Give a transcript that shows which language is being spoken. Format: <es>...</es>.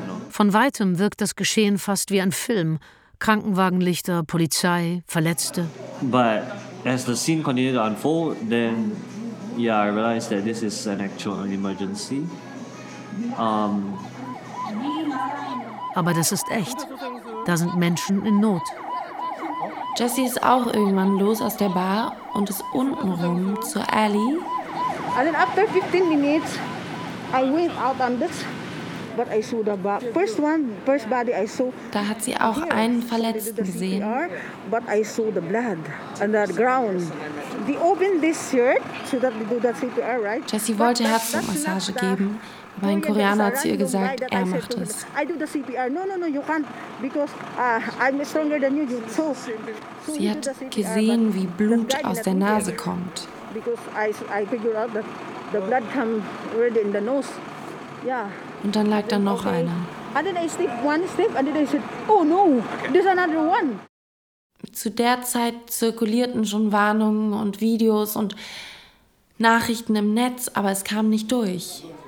<de>Von weitem wirkt das Geschehen fast wie ein Film. Krankenwagenlichter, Polizei, Verletzte.</de> <en>But as the scene continued to unfold, then yeah, I realized that this is an actual emergency.</en> <de>Aber das ist echt. Da sind Menschen in Not. Jessie ist auch irgendwann los aus der Bar und ist unten rum zur Alley.</de> <en>And then after 15 minutes. I went out on this, but I saw the body. First body I saw.</en> <de>Da hat sie auch einen Verletzten gesehen.</de> <en>But I saw the blood on that ground. They opened this shirt so that they do the CPR, right?</en> <de>Jessie wollte Herzmassage geben, aber ein Koreaner hat zu ihr gesagt, er macht es.</de> <en>I do the CPR. No, you can't, because I'm stronger than you. So</en> <de>sie hat gesehen, wie Blut aus der Nase kommt.</de> <en>Because I figured out that. The blood came red in the nose. Yeah.</en> <de>Und dann lag da noch einer.</de> <en>And then I step one step and then I said, oh no, there's another one.</en> <de>Zu der Zeit zirkulierten schon Warnungen und Videos und Nachrichten im Netz, aber es kam nicht durch.</de>